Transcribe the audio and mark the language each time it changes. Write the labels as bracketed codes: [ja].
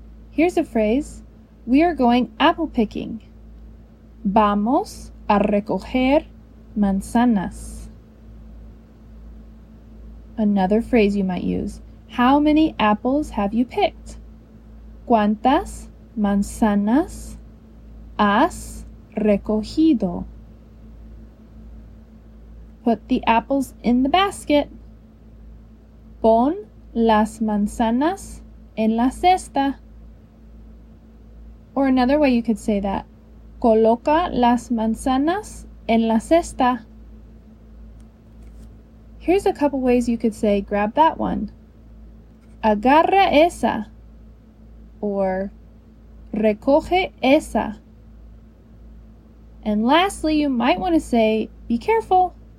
[en] Here's a phrase. We are going apple picking. [es] Vamos a recoger manzanas. [en] Another phrase you might use. How many apples have you picked? [es] ¿Cuántas manzanas has recogido? [en] Put the apples in the basket. [es] Pon las manzanas en la cesta. [en] Or another way you could say that. [es] Coloca las manzanas en la cesta. [en] Here's a couple ways you could say grab that one. [es] Agarra esa. [en] Or [es] recoge esa. [en] And lastly, you might want to say be careful.